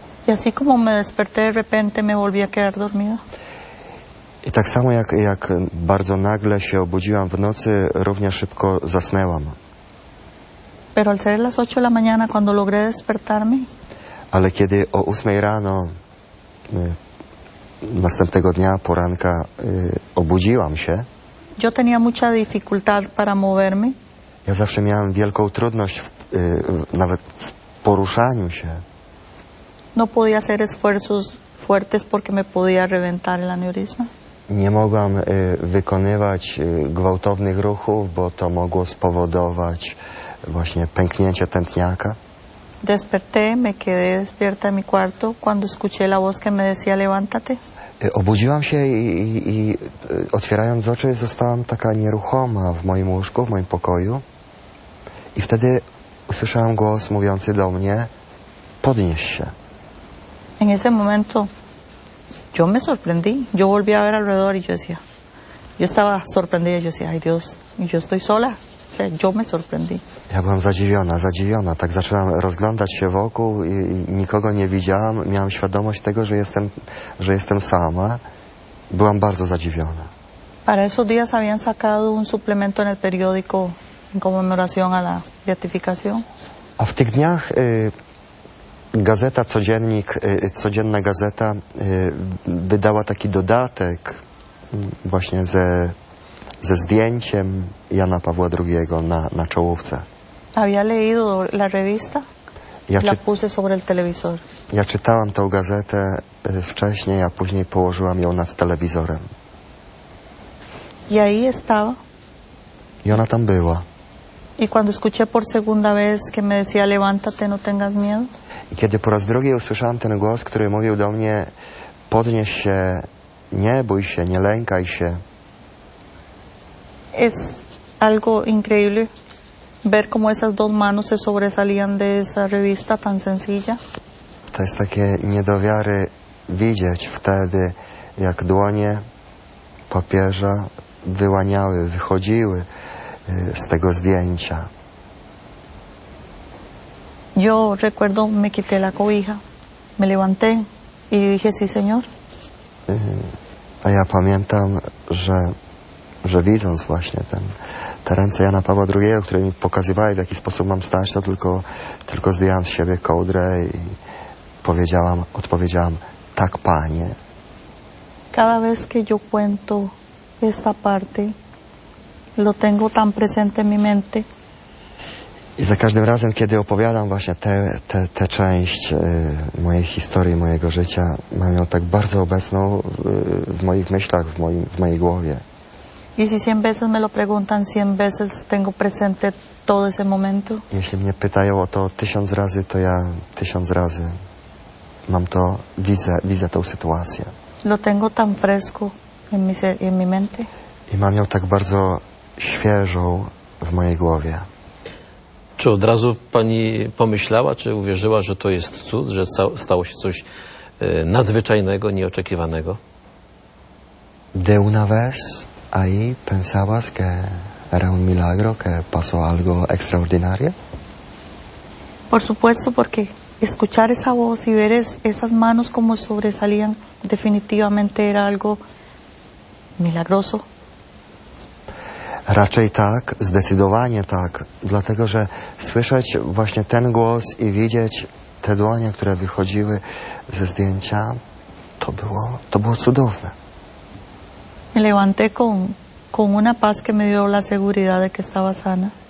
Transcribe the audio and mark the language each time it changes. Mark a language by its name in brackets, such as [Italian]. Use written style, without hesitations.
[Spanish] Y así como me desperté de repente, me volví a quedar dormida. [Polish] I tak samo jak bardzo nagle się obudziłam w nocy, równie szybko zasnęłam. [Spanish] Pero al ser las 8 de la mañana cuando logré despertarme. [Polish] Ale kiedy o 8 rano następnego dnia poranka obudziłam się. [Spanish] Yo tenía mucha dificultad para moverme. [Polish] Ja zawsze miałam wielką trudność nawet w poruszaniu się. [Spanish] No podía hacer esfuerzos fuertes porque me podía reventar el aneurisma. [Polish] Nie mogłam wykonywać gwałtownych ruchów, bo to mogło spowodować właśnie pęknięcie tętniaka. [Spanish] Desperté, me quedé despierta en mi cuarto cuando escuché la voz que me decía levántate. [Polish] Obudziłam się i otwierając oczy zostałam taka nieruchoma w moim łóżku, w moim pokoju. I wtedy usłyszałam głos mówiący do mnie, podnieś się. [Spanish] En ese momento yo me sorprendí. Yo volví a ver alrededor y yo decía, yo estaba sorprendida, yo decía, ay Dios, yo estoy sola. O sea, yo me sorprendí. [Polish] Ja byłam zadziwiona. Tak zaczęłam rozglądać się wokół i nikogo nie widziałam. Miałam świadomość tego, że jestem sama. Byłam bardzo zadziwiona. [Spanish] Para esos días habían sacado un suplemento en el periódico en conmemoración a la beatificación. [Polish] A w tych dniach gazeta, codziennik, codzienna gazeta wydała taki dodatek właśnie ze zdjęciem Jana Pawła II na czołówce. [Spanish] Había leído la revista? puse sobre el televisor. [Polish] Ja czytałam tę gazetę wcześniej, a później położyłam ją nad telewizorem. [Spanish] Y ahí estaba. [Polish] I ona tam była. [Spanish] Y cuando escuché por segunda vez que me decía levántate, no tengas miedo. [Polish] I kiedy po raz drugi usłyszałam ten głos, który mówił do mnie podnieś się, nie bój się, nie lękaj się. [Spanish] Es algo increíble ver cómo esas dos manos se sobresalían de esa revista tan sencilla. [Polish] To jest takie nie do wiary widzieć wtedy, jak dłonie papieża wyłaniały, wychodziły z tego zdjęcia. [Spanish] Yo recuerdo, me quité la cobija, me levanté y dije sí, señor. [Polish] A ja pamiętam, że widząc właśnie te ręce Jana Pawła II, które mi pokazywały, w jaki sposób mam stać, to tylko zdjęłam z siebie kołdrę i odpowiedziałam tak, panie. [Spanish] Cada vez que yo cuento esta parte, lo tengo tan presente en mi mente. [Polish] I za każdym razem, kiedy opowiadam właśnie tę część mojej historii, mojego życia, mam ją tak bardzo obecną w moich myślach, w mojej głowie. [Spanish] Y si 100 veces me lo preguntan, 100 veces tengo presente todo ese momento. [Polish] Jeśli mnie pytają o to 1000 razy, to ja 1000 razy mam to, widzę tą sytuację. [Spanish] Lo tengo tan fresco en mi mente. [Polish] I mam ją tak bardzo świeżą w mojej głowie. Czy od razu pani pomyślała, czy uwierzyła, że to jest cud, że stało się coś nadzwyczajnego, nieoczekiwanego? [Spanish] De una vez, ahí pensabas que era un milagro, que pasó algo extraordinario? Por supuesto, porque escuchar esa voz y ver esas manos como sobresalían, definitivamente era algo milagroso. [Polish] Raczej tak, zdecydowanie tak, dlatego że słyszeć właśnie ten głos i widzieć te dłonie, które wychodziły ze zdjęcia, to było cudowne. [Spanish] Me levanté con una paz que me dio la seguridad de que estaba sana.